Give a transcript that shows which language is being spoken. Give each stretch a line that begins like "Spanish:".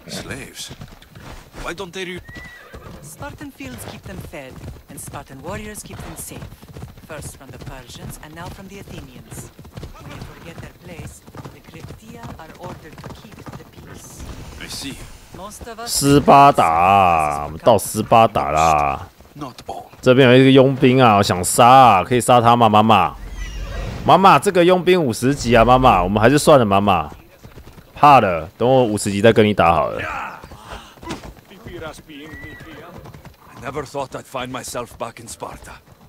English: Slaves? Why don't they? Spartan fields keep them fed, and Spartan warriors keep them safe. First from the Persians, and now from the Athenians. Forget their place. The Cryptia are ordered to keep the peace. I see. Most of us.
Chinese: 斯巴达，我们到斯巴达啦。
English: Not all.
Chinese: 这边有一个佣兵啊，我想杀、啊，可以杀他吗，妈妈？妈妈，这个佣兵五十级啊，妈妈，我们还是算了，妈妈。怕了，等我五十级再跟你打好了。
English: I never thought I'd find myself back in Sparta.